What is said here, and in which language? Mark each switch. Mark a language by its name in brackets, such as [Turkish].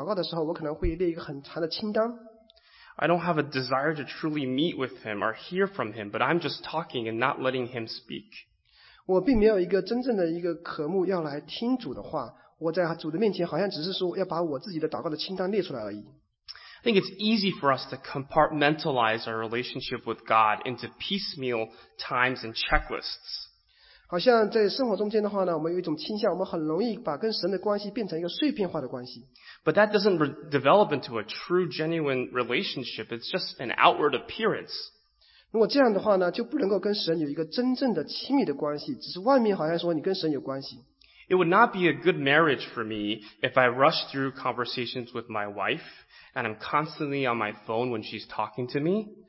[Chinese] 当我在祷告生活里面的话，当我跟神祷告的时候，我可能会列一个很长的清单。 [English] I don't have a desire to truly meet with him or hear from him, but I'm just talking and not letting him speak. [Chinese] 我并没有一个真正的一个渴慕要来听主的话，我在主的面前好像只是说要把我自己的祷告的清单列出来而已。 [English] I think it's easy for us to compartmentalize our relationship with God into piecemeal times and checklists. [Chinese] 好像在生活中间的话呢，我们有一种倾向，我们很容易把跟神的关系变成一个碎片化的关系。 [English] But that doesn't develop into a true, genuine relationship. It's just an outward appearance. [Chinese] 如果这样的话呢，就不能够跟神有一个真正的亲密的关系，只是外面好像说你跟神有关系。 [English] It would not be a good marriage for me if I rush through conversations with my wife and I'm constantly on my phone when she's talking to me.